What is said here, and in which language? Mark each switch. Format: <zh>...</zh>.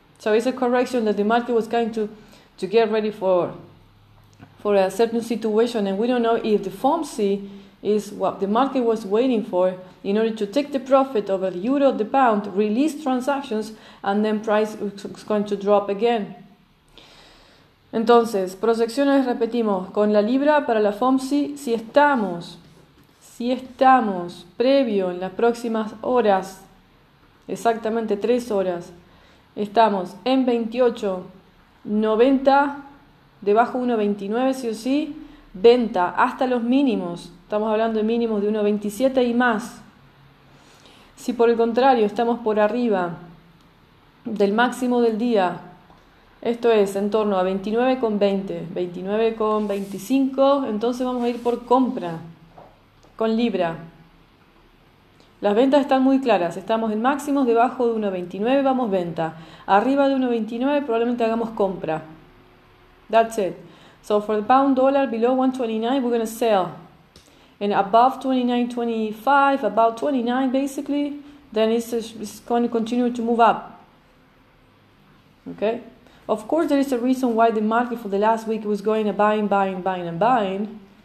<en>So it's a correction that the market was going to get ready for a certain situation, and we don't know if the FOMC is what the market was waiting for in order to take the profit over the euro, the pound, release transactions, and then price is going to drop again.</en> <es>Entonces, proyecciones, repetimos, con la libra para la FOMC, si estamos previo en las próximas horas, exactamente 3 horas, estamos en 28.90, debajo 1.29, sí o sí, venta hasta los mínimos. Estamos hablando de mínimos de 1.27 y más. Si por el contrario estamos por arriba del máximo del día, esto es en torno a 29.20, 29.25, entonces vamos a ir por compra con Libra. Las ventas están muy claras, estamos en máximos debajo de 1.29, vamos venta. Arriba de 1.29 probablemente hagamos compra.</es> <en>That's it. So for the pound dollar below 1.29, we're going to sell. And above 29.25, about 29 basically, then it's going to continue to move up. Okay? Of course, there is a reason why the market for the last week was going buying, buying, buying, and buying.</en>